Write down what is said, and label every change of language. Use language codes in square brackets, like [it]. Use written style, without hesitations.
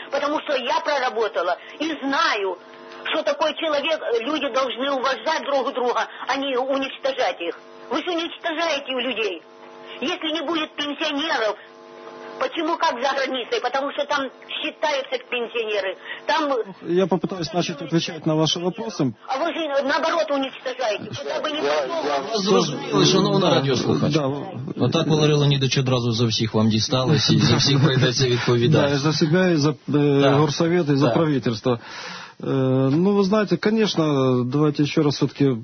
[ru] Потому что я проработала и знаю, что такой человек, люди должны уважать друг друга, а не уничтожать их. Вы же уничтожаете у людей. Если не будет пенсионеров, почему как за границей? Потому что там считаются пенсионеры. Там... Я попытаюсь начать отвечать на ваши вопросы. А вы же наоборот уничтожаете. Куда бы ни пошло. [uk] Я шановна радіослухачка. [ru] Вот так, [uk] Валерій Леонідович, одразу за всех вам дісталось, и за всех прийдеться відповідати. [ru] Да, и за себя, и за горсовет, и за правительство. Ну, вы знаете, конечно, давайте еще раз все-таки...